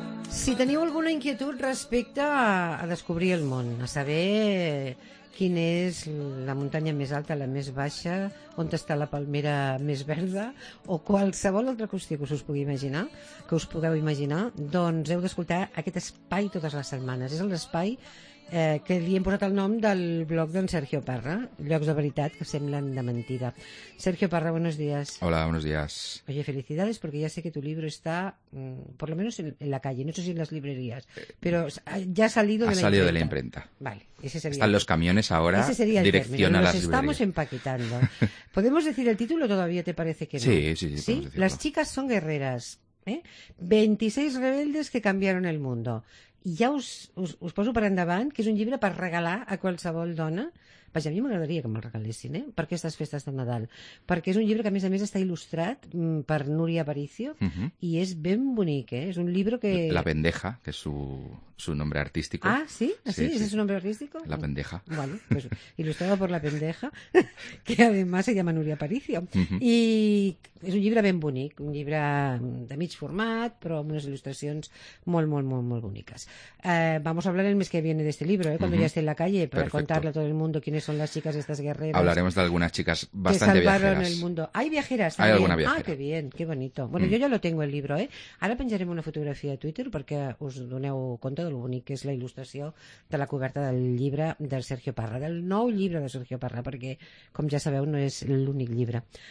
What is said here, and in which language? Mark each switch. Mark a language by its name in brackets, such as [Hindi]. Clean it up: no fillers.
[Catalan] Si teniu alguna inquietud respecte a descobrir el món, a saber quina és la muntanya més alta, la més baixa, on està la palmera més verda, o qualsevol altra qüestió que us pugui imaginar, que us pugueu imaginar, doncs heu d'escoltar aquest espai totes les setmanes. És l'espai que li hem posat el nom del blog d'en Sergio Parra, Llocs de veritat que semblen de mentida. [Spanish] Sergio Parra, buenos días. Hola, buenos días. Oye, felicidades, porque ya sé que tu libro está por lo menos en la calle, no sé si en las librerías, pero ya ha salido de la imprenta. Vale, ese sería. Están los camiones ahora en dirección a las librerías. Ese sería el término, nos estamos empaquetando. ¿Podemos decir el título todavía, te parece que no? Sí. Las chicas son guerreras, ¿eh? 26 rebeldes que cambiaron el mundo. [Catalan] I ja us poso per endavant que és un llibre per regalar a qualsevol dona. Vaja, a mi m'agradaria que me'l regalessin, eh? Per aquestes festes de Nadal. Perquè és un llibre que, a més, està il·lustrat per Núria Aparicio i és ben bonic, eh? És un llibre que... La Pendeja, que és [Spanish] su nombre artístic. [Catalan] Ah, sí? [Spanish] Sí, sí. ¿Ese es su nombre artístico? La Pendeja. Bueno, pues ilustrado por La Pendeja, que además se llama Núria Aparicio. [Catalan] I és un llibre ben bonic, un llibre de mig format, però amb unes il·lustracions molt boniques. [Spanish] Vamos a hablar el mes que viene de este libro, ¿eh? Cuando ya esté en la calle, para contarle a todo el mundo quiénes son las chicas estas guerreras. Hablaremos de algunas chicas bastante que salvaron viajeras. El mundo. ¿Hay viajeras también? Hay alguna viajera. Ah, qué bien, qué bonito. Bueno, yo ya lo tengo el libro, ¿eh? Ahora penjaremos una fotografía a Twitter porque os [Catalan] doneu compte de lo bonic [Spanish] que es la ilustración de la coberta del libro del Sergio Parra, del nou libro de Sergio Parra, porque, como ya sabeu, no es el único libro.